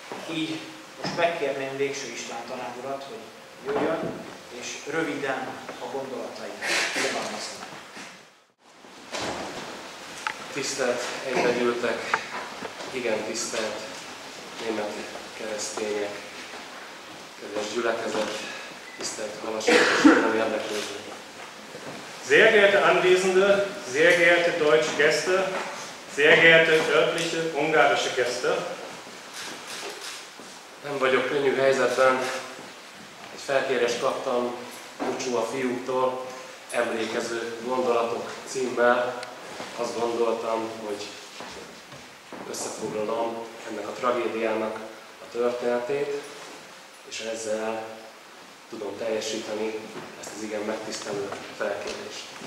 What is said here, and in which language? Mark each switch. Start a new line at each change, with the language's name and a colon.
Hungarian: Így most megkérném Végső István tanár urat, hogy jöjjön, és röviden a gondolatait fogalmazza. Tisztelt egybegyűltek, igen tisztelt német keresztények, kedves gyülekezet, tisztelt halasi zsidó érdeklődők.
German: Sehr geehrte Anwesende, sehr geehrte deutsche Gäste, sehr geehrte örtliche ungarische Gäste.
Hungarian: Nem vagyok könnyű helyzetben, egy felkérést kaptam Bucsú a fiúktól, emlékező gondolatok címmel, azt gondoltam, hogy összefoglalom ennek a tragédiának a történetét, és ezzel tudom teljesíteni ezt az igen megtisztelő felkérést.